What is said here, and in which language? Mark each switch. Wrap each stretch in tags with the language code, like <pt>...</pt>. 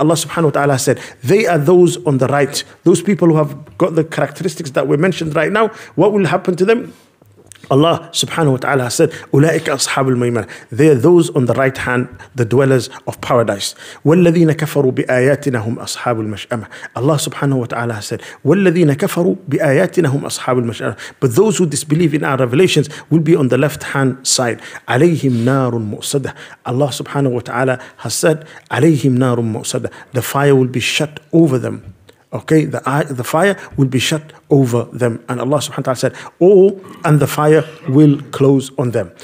<en>Allah subhanahu wa ta'ala said, they are those on the right. Those people who have got the characteristics that we mentioned right now, what will happen to them? Allah subhanahu wa ta'ala said,</en> <ar>أُولَٰئِكَ أَصْحَابُ الْمَيْمَنَةِ.</ar> <en>They are those on the right hand, the dwellers of paradise.</en> <ar>وَالَّذِينَ كَفَرُوا بِآيَاتِنَا هُمْ أَصْحَابُ الْمَشْأَمَةِ.</ar> <en>Allah subhanahu wa ta'ala said,</en> <ar>وَالَّذِينَ كَفَرُوا بِآيَاتِنَا هُمْ أَصْحَابُ الْمَشْأَمَةِ.</ar> <en>But those who disbelieve in our revelations will be on the left hand side.</en> <ar>عَلَيْهِمْ نَارٌ مُؤْصَدَةٌ.</ar> <en>Allah subhanahu wa ta'ala has said,</en> <ar>عَلَيْهِمْ نَارٌ مُؤْصَدَةٌ.</ar> <en>The fire will be shut over them. Okay, the fire will be shut over them. And Allah subhanahu wa ta'ala said, oh, and the fire will close on them.</en>